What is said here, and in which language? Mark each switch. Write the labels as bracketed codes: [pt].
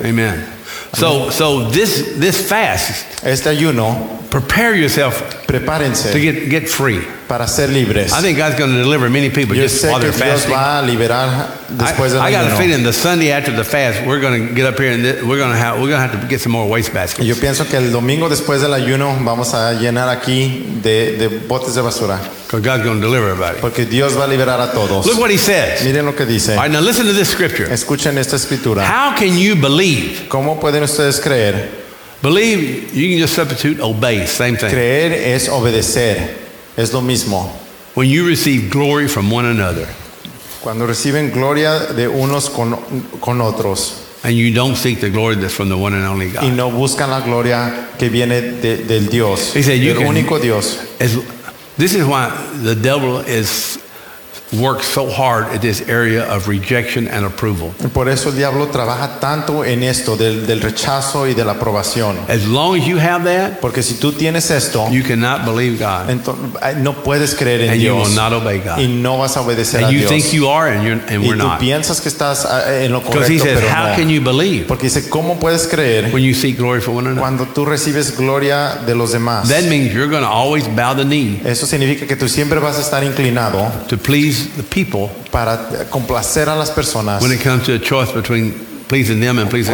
[en] amen. So this fast, [es] este ayuno, [en] prepare yourself, [es] prepárense [en] to get free, [es] para ser libres. [en] I think God's going to deliver many people [es] yo [en] just while they're fasting. [es] Dios va a liberar después [en] I got [es] ayuno. [en] A feeling the Sunday after the fast, we're going to get up here and we're going to have to get some more waste baskets. [es] Yo pienso que el domingo después del ayuno vamos a llenar aquí de botes de basura. [en] Because God's going to deliver everybody. [es] Porque Dios va a liberar a todos. [en] Look what he says. [es] Miren lo que dice. [en] All right, now listen to this scripture. [es] Escuchen esta escritura. [en] How can you believe? [es] ¿Cómo pueden ustedes creer? [en] Believe, you can just substitute obey, same thing. [es] Creer es obedecer, es lo mismo. [en] When you receive glory from one another. [es] Cuando reciben gloria de unos con otros. [en] And you don't seek the glory that's from the one and only God. [es] Y no buscan la gloria que viene del Dios, [en] he said, you [es] del único [en] can, [es] Dios. [en] This is why the devil is works so hard at this area of rejection and approval. [es] Por eso el diablo trabaja tanto en esto del rechazo y de la aprobación. [en] As long as you have that, [es] porque si tú tienes esto, [en] you cannot believe God. [es] No puedes creer en Dios. [en] And you will not obey God. [es] Y no vas a obedecer a Dios. [en] And you think you are, and we're not. [es] Y tú piensas que estás en lo correcto, [en] Because he says, how can you believe? [es] Porque dice, ¿cómo puedes creer? [en] When you seek glory for one another. [es] Cuando tú recibes gloria de los demás. [en] That means you're going to always bow the knee. [es] Eso significa que tú siempre vas a estar inclinado. [en] To please please the people, [es] para complacer a las personas, [en] when it comes to a choice between pleasing them and pleasing